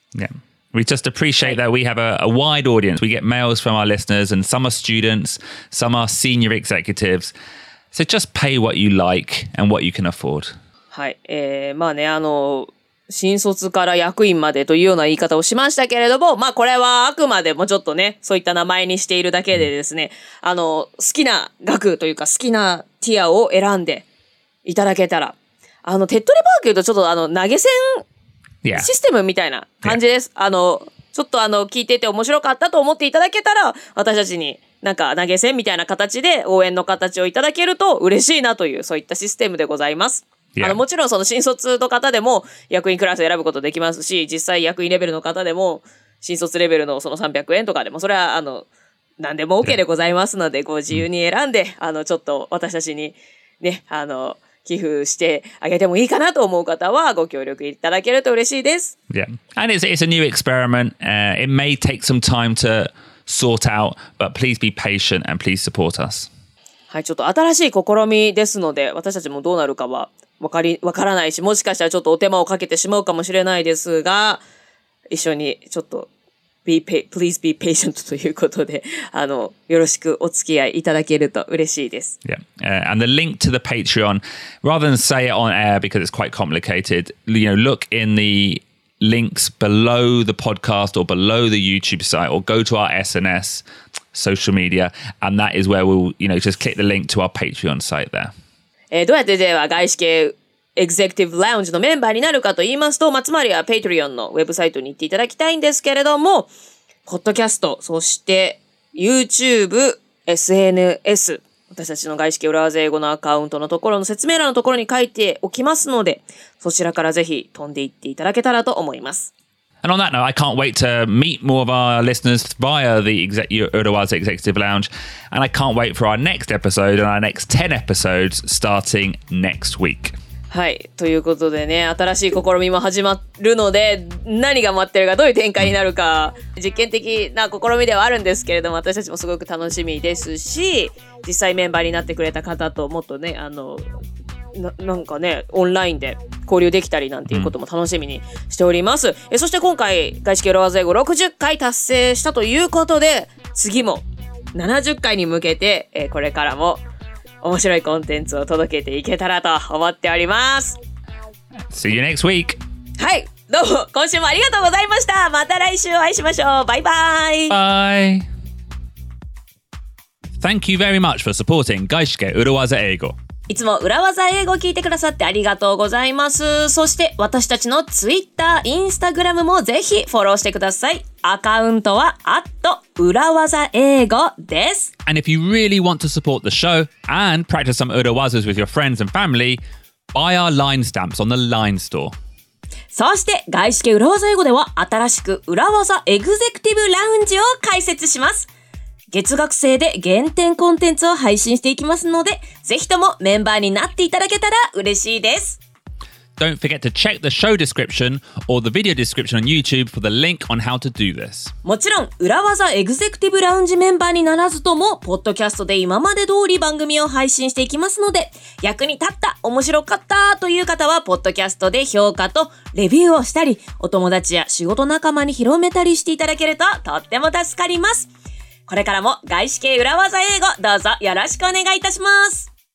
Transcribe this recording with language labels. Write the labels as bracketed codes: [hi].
[en] Yeah. We just appreciate that we have a wide audience. We get mails from our listeners, and some are students, some are senior executives. So just pay what you like and what you can afford. [ja] はい。まあね、あの、新卒から役員までというような言い方をしましたけれども、まあこれはあくまでもちょっとね、そういった名前にしているだけでですね、あの、好きな額というか好きなティアを選んでいただけたら、あの、手っ取り早く言うとちょっとあの、投げ銭システムみたいな感じです。 [en] Yeah. [ja] あの、ちょっとあの、聞いてて面白かったと思っていただけたら、私たちになんか投げ銭みたいな形で応援の形をいただけると嬉しいなという、そういったシステムでございます。 [en] Yeah. [ja] あのもちろんその新卒の方でも役員クラスを選ぶことできますし、実際役員レベルの方でも新卒レベルのその300円とかでもそれはあの何でも OK でございますので、ご自由に選んで、あのちょっと私たちにね、あの寄付してあげてもいいかなと思う方はご協力いただけると嬉しいです。 [en] Yeah, and it's a new experiment. It may take some time to sort out, but please be patient and please support us. [ja] はい、ちょっと新しい試みですので、私たちもどうなるかはわからないし、もしかしたらちょっとお手間をかけてしまうかもしれないですが、一緒にちょっと [en] please be patient [ja] ということで、あの、よろしくお付き合いいただけると嬉しいです。 [en] Yeah. And the link to the Patreon, rather than say it on air because it's quite complicated, you know, look in the links below the podcast or below the YouTube site, or go to our SNS social media, and that is where we'll, you know, just click the link to our Patreon site there. [ja] どうやってでは外資系エグゼクティブラウンジのメンバーになるかと言いますと、まあ、つまりは Patreon のウェブサイトに行っていただきたいんですけれども、ポッドキャスト、そして YouTube、SNS、私たちの外資系裏技英語のアカウントのところの説明欄のところに書いておきますので、そちらからぜひ飛んで行っていただけたらと思います。 [en] And on that note, I can't wait to meet more of our listeners via the Urdawaza Executive Lounge. And I can't wait for our next episode and our next 10 episodes starting next week. [ja] はい、ということでね、新しい試みも始まるので、何が待ってるか、どういう展開になるか、実験的な試みではあるんですけれども、私たちもすごく楽しみですし、実際メンバーになってくれた方ともっとね、あの、なんかね、オンラインで交流できたりなんていうことも楽しみにしております。うん、そして今回、外資系裏技英語60回達成したということで、次も70回に向けて、これからも面白いコンテンツを届けていけたらと思っております。 [en] See you next week! [ja] はい、どうも、今週もありがとうございました。また来週お会いしましょう。バイバイ。 [en] バイ。Thank you very much for supporting 外資系裏技英語。 [ja] いつも裏技英語を聞いてくださってありがとうございます。そして私たちのツイッター、インスタグラムもぜひフォローしてください。アカウントは @裏技英語です。 [en] And if you really want to support the show and practice some 裏技 with your friends and family, buy our line stamps on the line store. [ja] そして外資系裏技英語では新しく裏技エグゼクティブラウンジを開設します。月額制で限定コンテンツを配信していきますので、ぜひともメンバーになっていただけたら嬉しいです。 [en] Don't forget to check the show description or the video description on YouTube for the link on how to do this. [ja] もちろん、裏技エグゼクティブラウンジメンバーにならずとも、ポッドキャストで今まで通り番組を配信していきますので、役に立った、面白かったという方は、ポッドキャストで評価とレビューをしたり、お友達や仕事仲間に広めたりしていただけるととっても助かります。これからも外資系裏技英語どうぞよろしくお願いいたします。